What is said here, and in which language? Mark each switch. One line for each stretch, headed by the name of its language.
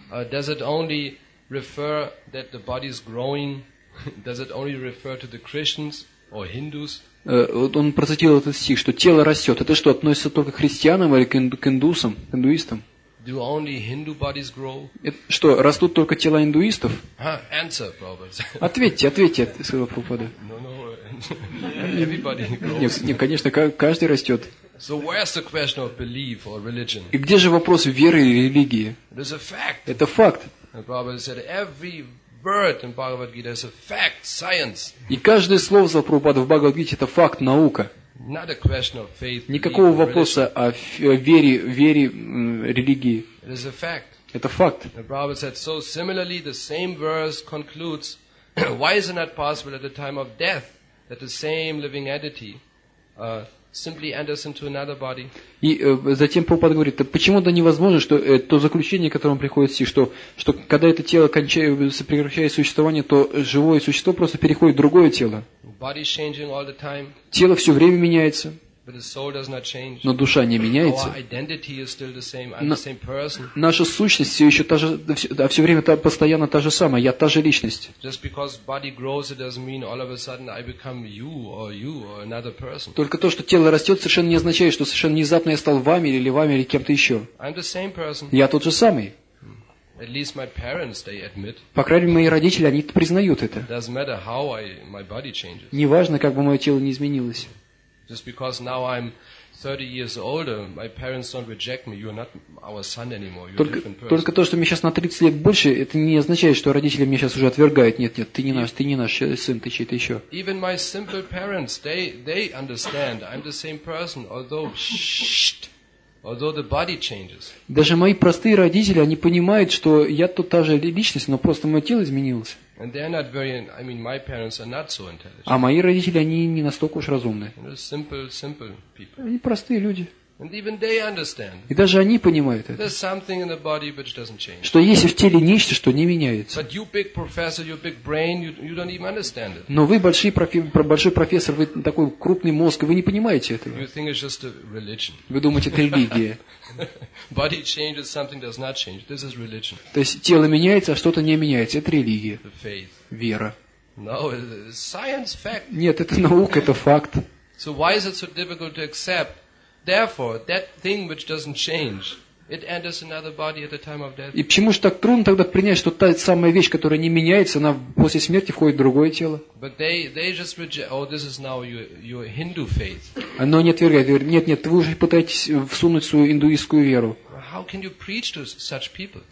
English: Does it only refer that the body is growing? Does it only refer to the Christians or Hindus?
Russian: он процитировал этот стих, что тело растет. Это что, относится только к христианам или к индусам, к индуистам?
English: Do only Hindu bodies grow?
Russian: Что, растут только тела индуистов?
English: Answer, Prabhupada.
Russian: Ответьте, ответьте, сказал Прабхупада.
English: No. Everybody grows.
Russian: Нет, конечно, каждый растет.
English: So where's the question of belief or religion?
Russian: И где же вопрос веры и религии?
English: There's a fact.
Russian: Это факт.
English: And Prabhupada said every word in Bhagavad Gita is a fact, science.
Russian: И каждое слово, сказал Прабхупада, в Бхагавад Гите это факт, наука.
English: Not a question of faith,
Russian: никакого вопроса о вере религии.
English: It is a fact.
Russian: Это факт.
English: The Prabhupada said, so similarly, the same verse concludes, why is it not possible at the time of death that the same living entity simply enters into another body?
Russian: И затем Прабхупада говорит, почему-то невозможно, что то заключение, к которому приходит стих, что когда это тело прекращает существование, то живое существо просто переходит в другое тело.
English: Body's changing all the time.
Russian: Тело все время меняется.
English: But the soul does not change.
Russian: Но душа не меняется.
English: Our identity is still the same. I'm the same person.
Russian: Наша сущность все еще та же, все время постоянно та же самая. Я та же личность.
English: Just because body grows, it doesn't mean all of a sudden I become you or another person.
Russian: Только то, что тело растет, совершенно не означает, что совершенно внезапно я стал вами или кем-то еще.
English: I'm the same person.
Russian: Я тот же самый.
English: At least my parents, they admit.
Russian: По крайней мере, мои родители, они признают это.
English: Doesn't matter how my body changes.
Russian: Не важно, как бы мое тело не изменилось.
English: Just because now I'm 30 years older, my parents don't reject me. You're not our son anymore. You're a different person.
Russian: Только то, что мне сейчас на 30 лет больше, это не означает, что родители меня сейчас уже отвергают. Нет, ты не наш сын, ты чей-то еще.
English: Even my simple parents, they understand. I'm the same person, although the body changes.
Russian: Даже мои простые родители, они понимают, что я тут та же личность, но просто мое тело изменилось.
English: And they're not very, I mean, my parents are not so intelligent.
Russian: А мои родители, они не настолько уж разумны.
English: Simple people.
Russian: Они простые люди.
English: And even they understand.
Russian: И даже они понимают это.
English: There's something in the body which doesn't change.
Russian: Что есть в теле нечто, что не меняется.
English: But you big professor, you big brain, you don't even understand it.
Russian: Но вы большой профессор, вы такой крупный мозг, вы не понимаете этого.
English: You think it's just a religion.
Russian: Вы думаете, это религия.
English: Body changes, something does not change. This is religion.
Russian: То есть тело меняется, а что-то не меняется. Это религия.
English: The faith.
Russian: Вера.
English: No, it's science, fact.
Russian: Нет, это наука, это факт.
English: So why is it so difficult to accept? Therefore, that thing which doesn't change, it enters another body at the time of death.
Russian: И почему же так трудно тогда принять, что та самая вещь, которая не меняется, она после смерти входит в другое тело?
English: But they just reject. Oh, this is now your Hindu faith.
Russian: Оно не отвергает. Нет, вы уже пытаетесь всунуть свою индуистскую веру.
English: How can you preach to such people?